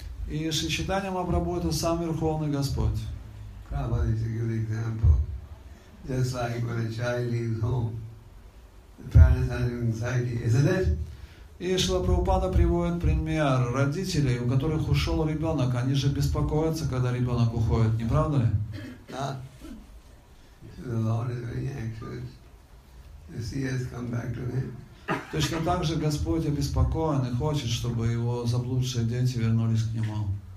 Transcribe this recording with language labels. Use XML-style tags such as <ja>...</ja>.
<ru>И Шри Чайтанья Махапрабху — это сам Верховный Господь. Прабхупада дал пример.</ru> <en>Just like when a child leaves home, the parents have anxiety, isn't it?</en> <ru>И Шрила Прабхупада приводит пример родителей, у которых ушел ребенок. Они же беспокоятся, когда ребенок уходит, не правда ли? Да.</ru> <en>The Lord is very anxious to see us come back to Him.</en> <ru>Точно так же Господь обеспокоен и хочет, чтобы Его заблудшие дети вернулись к Нему.</ru>